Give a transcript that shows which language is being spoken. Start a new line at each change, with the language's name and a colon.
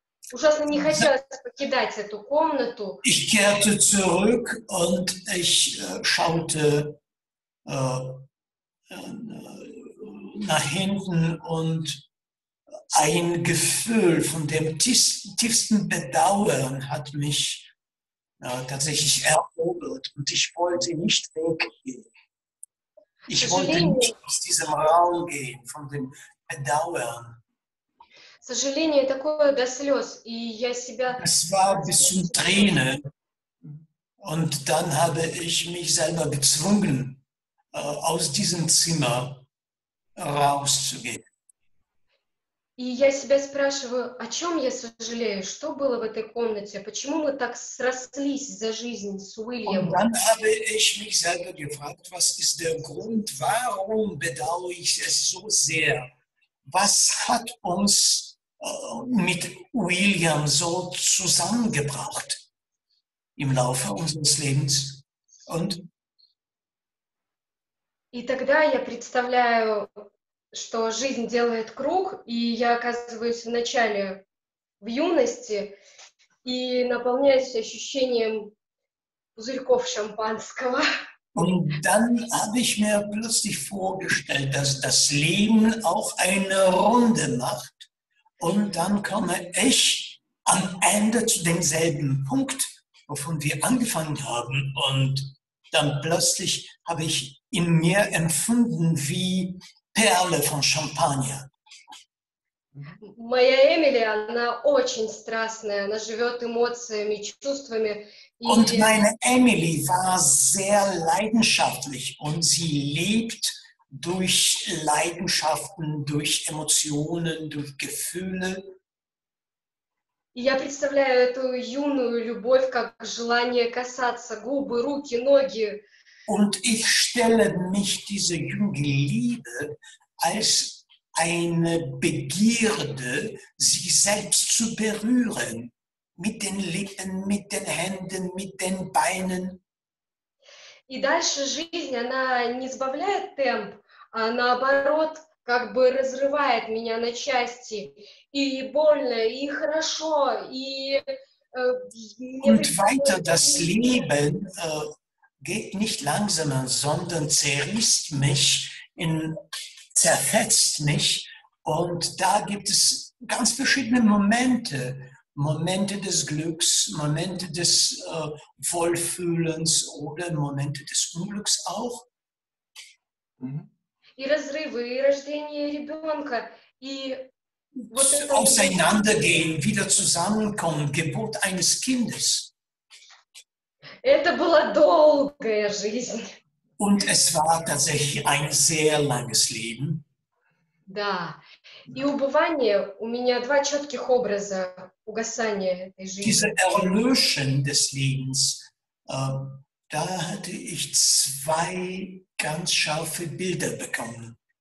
Russian: Ужасно не хотелось покидать эту комнату.
German: Ich kehrte zurück und ich schaute nach hinten und ein Gefühl von dem tiefsten Bedauern hat mich tatsächlich erobert und ich wollte nicht weggehen. Ich wollte nicht aus diesem Raum gehen, von dem Bedauern.
Russian: Сожаление такое до слез, и я себя...
German: Es war bis zum Tränen, und dann habe ich mich selber gezwungen, aus diesem Zimmer rauszugehen.
Russian: И я себя спрашиваю, о чем я сожалею, что было в этой комнате, почему мы так срослись за жизнь с Уильямом?
German: Und dann habe ich mich selber gefragt, was ist der Grund, warum bedauere ich es so sehr? Was hat uns mit William so zusammengebracht im Laufe unseres Lebens. Und
Russian: и тогда я представляю что жизнь делает круг, и я оказываюсь в начале, в юности, и наполняюсь ощущением пузырьков шампанского.
German: Und dann habe ich mir plötzlich vorgestellt, dass das Leben auch eine Runde macht. Und dann komme ich am Ende zu demselben Punkt, wovon wir angefangen haben. Und dann plötzlich habe ich in mir empfunden wie Perle von Champagner.
Russian: Моя Эмили, она очень страстная, она живет эмоциями, чувствами.
German: Und meine Emily war sehr leidenschaftlich und sie lebt durch Leidenschaften, durch Emotionen, durch Gefühle.
Russian: Я представляю эту юную любовь как желание касаться губы, руки, ноги.
German: Und ich stelle mich diese junge Liebe als eine Begierde, sie selbst zu berühren. Mit den Lippen, mit den Händen, mit den Beinen.
Russian: И дальше жизнь, она не сбавляет темп, а наоборот, как бы разрывает меня на части. И больно, и хорошо, и...
German: Und weiter, das Leben geht nicht langsamer, sondern zerrisst mich, zerfetzt mich. Und da gibt es ganz verschiedene Momente. Momente des Glücks, Momente des Wohlfühlens oder Momente des Unglücks auch.
Russian: И разрывы, и рождение ребенка, и вот это...
German: Auseinandergehen, wieder zusammenkommen, Geburt eines Kindes.
Russian: Это была долгая жизнь.
German: Und es war tatsächlich ein sehr langes Leben.
Russian: Да. И убывание, у меня два четких образа угасания этой жизни.
German: Diese Erlösung des Lebens, da hatte ich zwei ganz scharfe Bilder bekommen.